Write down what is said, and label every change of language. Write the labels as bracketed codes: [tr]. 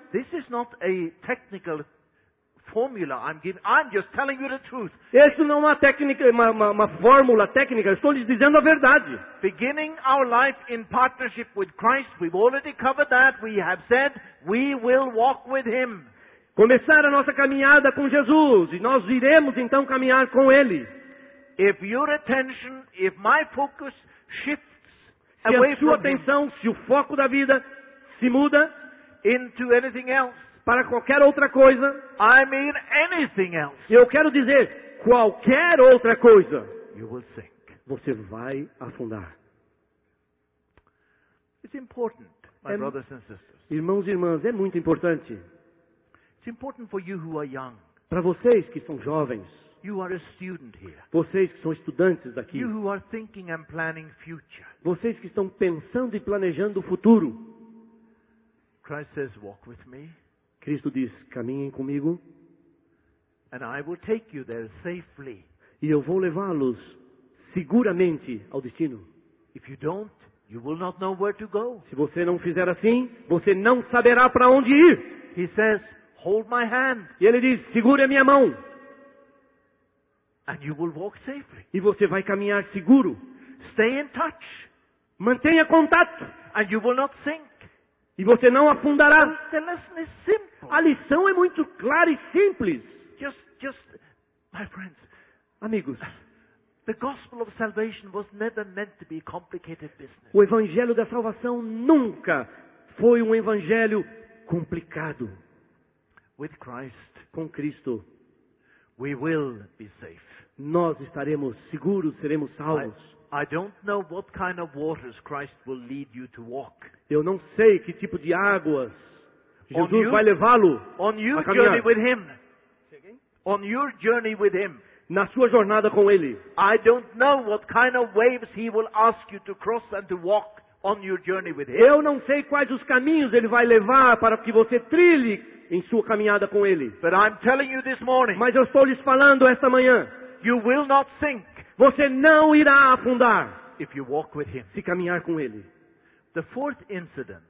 [en] This is not a technical formula I'm giving. I'm just telling you the truth. [pt] Isso não é uma técnica, uma fórmula técnica. Eu estou lhes dizendo a verdade. [en] Beginning our life in partnership with Christ, we've already covered that. We have said we will walk with Him. [pt] Começar a nossa caminhada com Jesus e nós iremos então caminhar com Ele. [en] If your attention, if my focus shifts. [pt] Se a sua atenção, se o foco da vida se muda [en] into anything else, [pt] para qualquer outra coisa, [en] I mean anything else, [pt] eu quero dizer qualquer outra coisa, [en] you will sink. [pt] Você vai afundar. [en] It's important, my brothers and sisters. [pt] Irmãos e irmãs, é muito importante. [en] It's important for you who are young. [pt] Para vocês que são jovens. [en] You are a student here. [pt] Vocês que são estudantes daqui. [en] You who are thinking and planning future. [pt] Vocês que estão pensando e planejando o futuro. [en] Christ says, walk with me. [pt] Cristo diz, caminhem comigo. [en] And I will take you there safely. [pt] E eu vou levá-los seguramente ao destino. [en] If you don't, you will not know where to go. [pt] Se você não fizer assim, você não saberá para onde ir. [en] He says, hold my hand. [pt] E ele diz, segure a minha mão. [en] And you will walk safely. [pt] E você vai caminhar seguro. [en] Stay in touch. [pt] Mantenha contato. [en] And you will not sink. [pt] E você não afundará. [en] The lesson is simple. [pt] A lição é muito clara e simples. [en] Just, my friends, [pt] amigos. [en] The gospel of salvation was never meant to be a complicated business. [pt] O evangelho da salvação nunca foi um evangelho complicado. [en] With Christ. [pt] Com Cristo. [en] We will be safe. [pt] Nós estaremos seguros, seremos salvos. [en] I don't know what kind of waters Christ will lead you to walk. [pt] Eu não sei que tipo de águas Jesus vai levá-lo [en] on your journey with him. On your journey with him. [pt] Na sua jornada com ele. [en] I don't know what kind of waves he will ask you to cross and to walk on your journey with him. [pt] Eu não sei quais os caminhos ele vai levar para que você trilhe em sua caminhada com ele. [en] But I'm telling you this morning, [pt] mas eu estou lhes falando esta manhã. [en] You will not sink. [pt] Você não irá afundar. [en] If you walk with him. [pt] Se caminhar com ele. [en] The fourth incident.